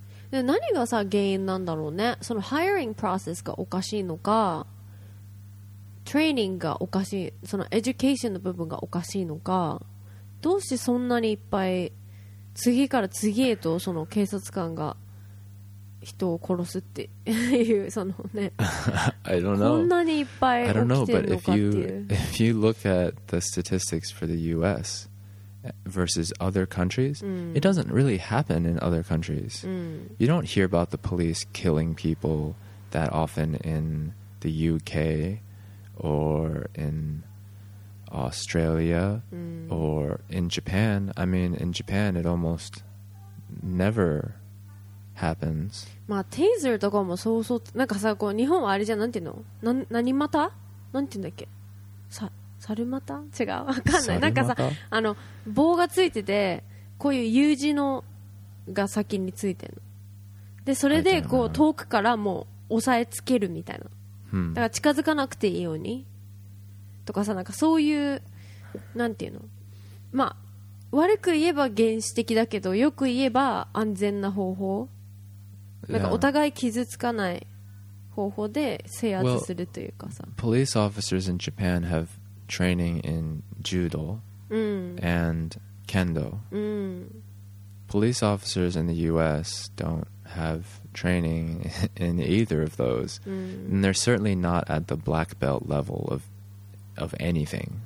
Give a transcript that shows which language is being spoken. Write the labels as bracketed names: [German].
[Japanese] で、何がさ原因なんだろうね。そのハイリングプロセスがおかしいのか、トレーニングがおかしい、そのエデュケーションの部分がおかしいのか、どうしてそんなにいっぱい次から次へとその警察官が人を殺すっていうそのね、 [English] I don't know. [Japanese] こんなにいっぱい起きてるのかっていう。 [English] I don't know, but if you look at the statistics for the U.S. versus other countries, it doesn't really happen in other countries. You don't hear about the police killing people that often in the UK or in Australia or in Japan. I mean, in Japan, it almost never happens. [Japanese] まあ、テイザーとかもそうそう、なんかさ、こう、日本はあれじゃ、なんていうの？な、何また？なんていうんだっけ？さ、猿股？違う、わかんない。なんかさ、あの棒がついてて、こういう U 字のが先についてるで、それでこう遠くからもう押さえつけるみたいな、だから近づかなくていいようにとかさ、なんかそういう、なんていうの、まあ悪く言えば原始的だけど、よく言えば安全な方法、なんかお互い傷つかない方法で制圧するというかさ。 [English] Well, police officers in Japan haveTraining in judo and kendo. Police officers in the U.S. don't have training in either of those, and they're certainly not at the black belt level of anything.